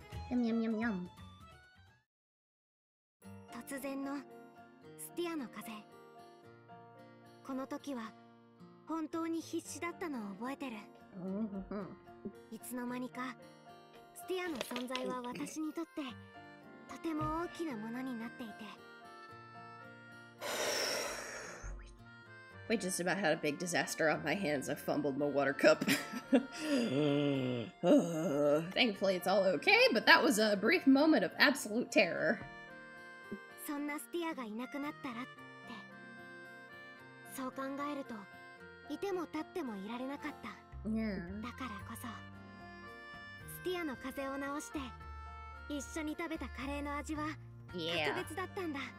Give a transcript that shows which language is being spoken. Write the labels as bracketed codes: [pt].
[ja] ヤミヤミヤミヤム。突然のスティアの風。この時は本当に必死だったのを覚えてる。いつの間にかスティアの存在は私にとってとても大きな物になっていて。 [en] We just about had a big disaster on my hands. I fumbled my water cup. Thankfully, it's all okay, but that was a brief moment of absolute terror. [ja] そんなスティアがいなくなったらって。そう考えると、いても立ってもいられなかった。 [en] Yeah. [ja] だからこそ、スティアの風邪を治して、一緒に食べたカレーの味は格別だったんだ。